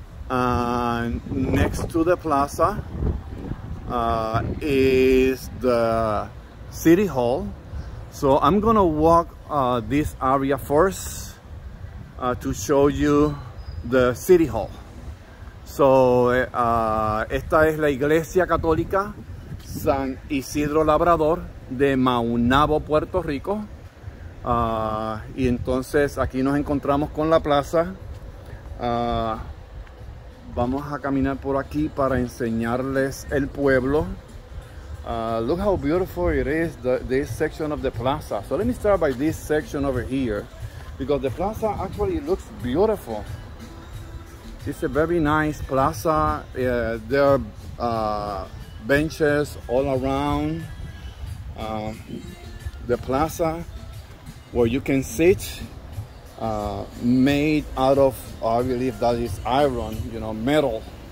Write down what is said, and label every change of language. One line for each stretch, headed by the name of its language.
English: And next to the plaza is the city hall. So I'm gonna walk this area first to show you the city hall.
Spanish: So esta es la iglesia católica San Isidro Labrador de Maunabo, Puerto Rico. Y entonces aquí nos encontramos con la plaza. Vamos a caminar por aquí para enseñarles el pueblo.
English: Look how beautiful it is, this section of the plaza. So let me start by this section over here, because the plaza actually looks beautiful. It's a very nice plaza. There are benches all around the plaza where you can sit, made out of, I believe that is iron, you know, metal.